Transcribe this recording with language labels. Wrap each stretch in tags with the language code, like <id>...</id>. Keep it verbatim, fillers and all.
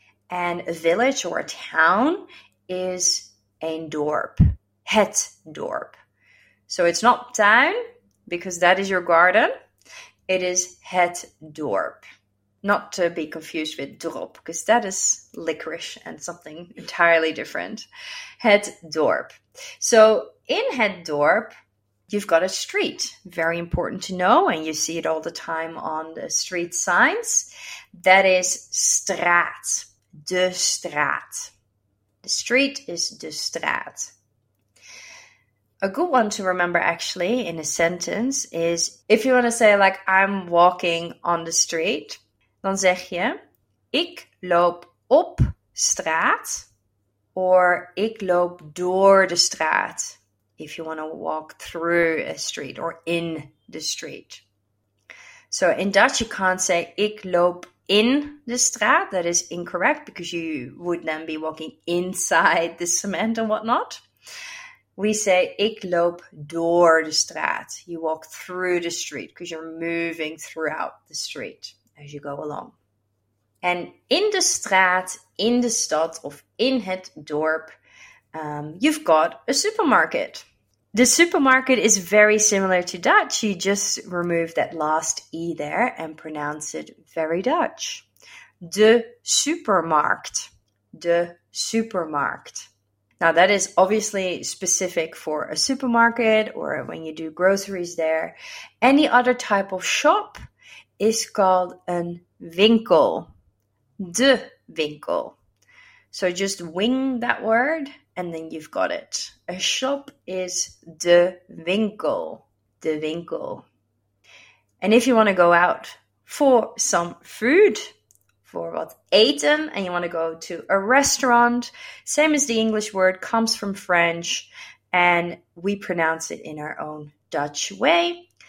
<en>And a village or a town is</en> <nl>een dorp. Het dorp.</nl> <en>So it's not town, because that is your garden. It is</en> <nl>het dorp.</nl> <en>Not to be confused with dorp, because that is licorice and something entirely different.</en> <nl>Het dorp.</nl> <en>So in het dorp, you've got a street. Very important to know, and you see it all the time on the street signs. That is</en> <nl>straat. De straat.</nl> <en>The street is de straat. A good one to remember, actually, in a sentence is, if you want to say, like, I'm walking on the street,</en> <nl>dan zeg je, ik loop op straat,</nl> <en>or</en> <nl>ik loop door de straat,</nl> <en>if you want to walk through a street or in the street. So in Dutch you can't say,</en> <nl>ik loop in de straat.</nl> <en>That is incorrect, because you would then be walking inside the cement and whatnot. We say,</en> <nl>ik loop door de straat.</nl> <en>You walk through the street, because you're moving throughout the street as you go along. And</en> <nl>in de straat, in de stad, of in het dorp,</nl> <en>um, you've got a supermarket. The supermarket is very similar to Dutch. You just remove that last E there and pronounce it very Dutch.</en> <nl>De supermarkt. De supermarkt.</nl> <en>Now that is obviously specific for a supermarket or when you do groceries there. Any other type of shop is called een winkel.</en> <nl>De winkel.</nl> <en>So just wing that word and then you've got it. A shop is</en> <nl>de winkel. De winkel.</nl> <en>And if you want to go out for some food, for</en> <nl>wat eten,</nl> <en>and you want to go to a restaurant, same as the English word, comes from French, and we pronounce it in our own Dutch way.</en>